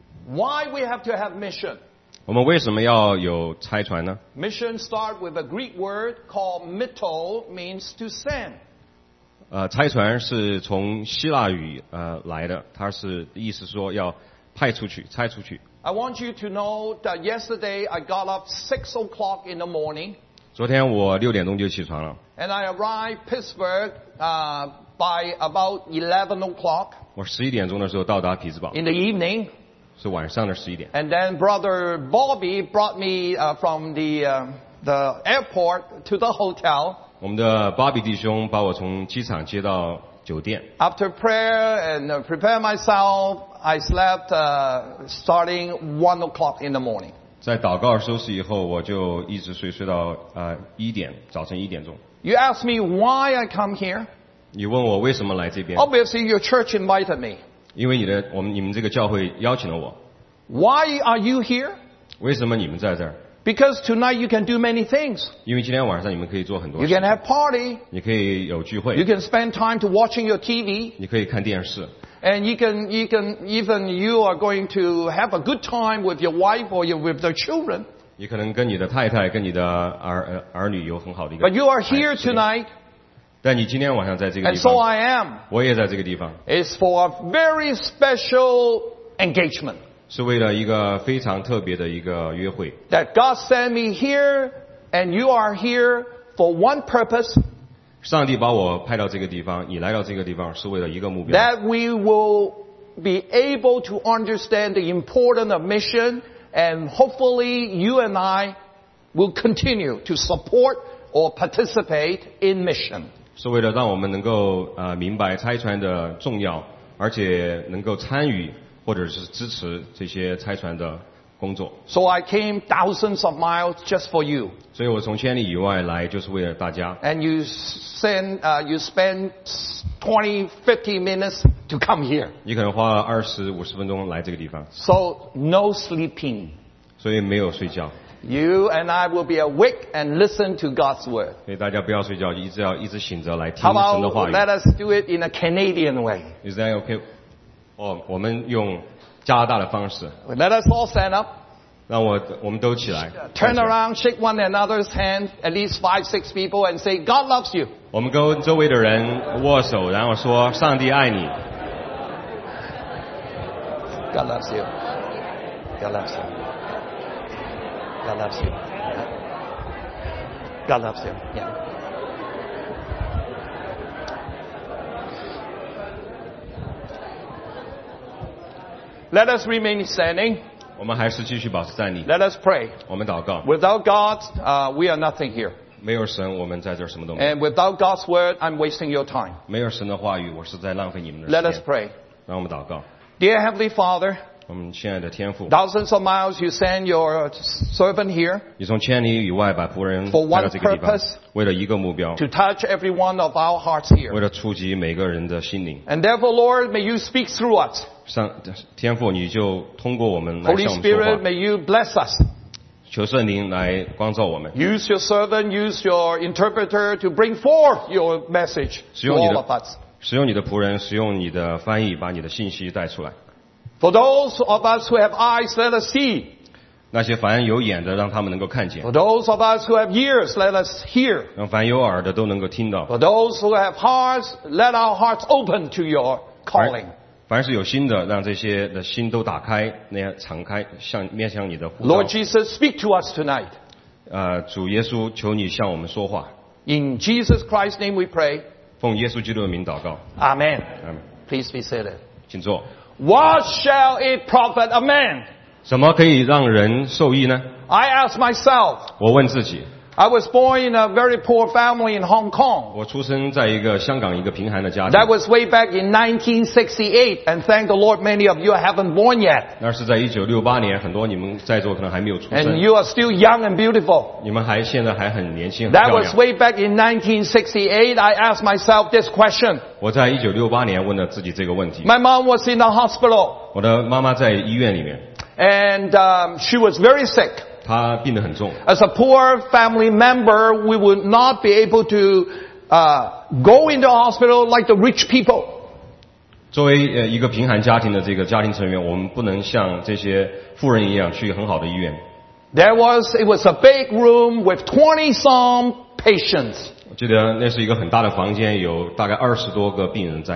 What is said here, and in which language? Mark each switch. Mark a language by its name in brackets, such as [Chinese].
[English] Why we have to have mission? [Chinese] 我们为什么要有拆船呢？ [English] Mission starts with a Greek word called mitto, means to send. [Chinese] 拆船是从希腊语来的，它是意思说要派出去，拆出去。 [English] I want you to know that yesterday I got up 6 o'clock in the morning. [Chinese] 昨天我六点钟就起床了。 [English] And I arrived Pittsburgh, by about 11 o'clock. [Chinese] 我十一点钟的时候到达匹兹堡。 [English] In the evening. [Chinese] 是晚上的十一点。 [English] And then brother Bobby brought me, from the airport to the hotel. [Chinese] 我们的 Bobby 弟兄把我从机场接到酒店。 [English] After prayer and prepare myself, I slept, starting 1 o'clock in the morning. [Chinese] 在祷告休息以后，我就一直睡到一点，早晨一点钟。 [English] You ask me why I come here? [Chinese] 你问我为什么来这边 [English] ？Obviously, your church invited me. [Chinese] 因为你们这个教会邀请了我。 [English] Why are you here? [Chinese] 为什么你们在这儿 [English] ？Because tonight you can do many things. [Chinese] 因为今天晚上你们可以做很多事。 [English] You can have party. [Chinese] 你可以有聚会。 [English] You can spend time to watching your TV. [Chinese] 你可以看电视。 [English] And you can even you are going to have a good time with your wife or with the children. [Chinese] 你可能跟你的太太跟你的儿女有很好的一个。 [English] But you are here tonight. [Chinese] 但你今天晚上在这个地方。 [English] And so I am. [Chinese] 我也在这个地方。 [English] It's for a very special engagement. [Chinese] 是为了一个非常特别的一个约会。 [English] That God sent me here and you are here for one purpose. [Chinese] 上帝把我派到这个地方，你来到这个地方是为了一个目标。 [English] That we will be able to understand the importance of mission, and hopefully you and I will continue to support or participate in mission. [Chinese] 是为了让我们能够明白拆船的重要，而且能够参与或者是支持这些拆船的工作。 [English] So I came thousands of miles just for you. [Chinese] 所以我从千里以外来就是为了大家。 [English] And you send, you spend 20, 50 minutes to come here. [Chinese] 你可能花了20-50分钟来这个地方。 [English] So no sleeping. [Chinese] 所以没有睡觉。 [English] You and I will be awake and listen to God's word. [Chinese] 所以大家不要睡觉，一直醒着来听神的话语。 [English] How about let us do it in a Canadian way? Is that okay? [Chinese] 我们用。加拿大的方式。 [English] Let us all stand up. [Chinese] 让我们都起来。 [English] Turn around, shake one another's hand, at least 5-6 people, and say, God loves you. [Chinese] 我们跟周围的人握手，然后说上帝爱你。 [English] God loves you. God loves you. God loves you. God loves you. Yeah. Let us remain standing. [Chinese] 我们还是继续保持站立。 [English] Let us pray. [Chinese] 我们祷告。 [English] Without God, we are nothing here. [Chinese] 没有神，我们在这儿什么都没有。 [English] And without God's word, I'm wasting your time. [Chinese] 没有神的话语，我是在浪费你们的时间。 [English] Let us pray. [Chinese] 让我们祷告。 [English] Dear Heavenly Father, [Chinese] 我们亲爱的天父。 [English] Thousands of miles, you send your servant here. [Chinese] 你从千里以外把仆人派到这个地方。为了一个目标。 [English] To touch every one of our hearts here. [Chinese] 为了触及每个人的心灵。 [English] And therefore, Lord, may you speak through us. [Chinese] 天父，你就通过我们来向我们说话。 [English] Holy Spirit, may you bless us. [Chinese] 求圣灵来光照我们。 [English] Use your servant, use your interpreter to bring forth your message to all of us. [Chinese] 使用你的仆人，使用你的翻译，把你的信息带出来。 [English] For those of us who have eyes, let us see. [Chinese] 那些凡有眼的，让他们能够看见。 [English] For those of us who have ears, let us hear. [Chinese] 让凡有耳的都能够听到。 [English] For those who have hearts, let our hearts open to your calling. [Chinese] 凡是有心的，让这些的心都打开，那样敞开，向面向你的呼召。 [English] Lord Jesus, speak to us tonight. [Chinese] 主耶稣，求你向我们说话。 [English] In Jesus Christ's name, we pray. [Chinese] 奉耶稣基督的名祷告。 [English] Amen. Amen. Please be seated. [Chinese] 请坐。 [English] What shall it profit a man? [Chinese] 什么可以让人受益呢? [English] I ask myself. [Chinese] 我问自己。 [English] I was born in a very poor family in Hong Kong. [Chinese] 我出生在一个香港一个贫寒的家庭。 [English] That was way back in 1968, and thank the Lord many of you haven't born yet. [Chinese] 那是在1968年，很多你们在座可能还没有出生。 [English] And you are still young and beautiful. [Chinese] 你们还现在还很年轻。 [English] That was way back in 1968, I asked myself this question. [Chinese] 我在1968年问了自己这个问题。 [English] My mom was in the hospital. [Chinese] 我的妈妈在医院里面。 [English] And she was very sick. [Chinese] 他病得很重。 [English] As a poor family member, we would not be able to go into a hospital like the rich people. [Chinese] 作为一个贫寒家庭的这个家庭成员，我们不能像这些富人一样去很好的医院。 [English] It was a big room with 20 some patients. [Chinese] 我记得那是一个很大的房间，有大概二十多个病人在。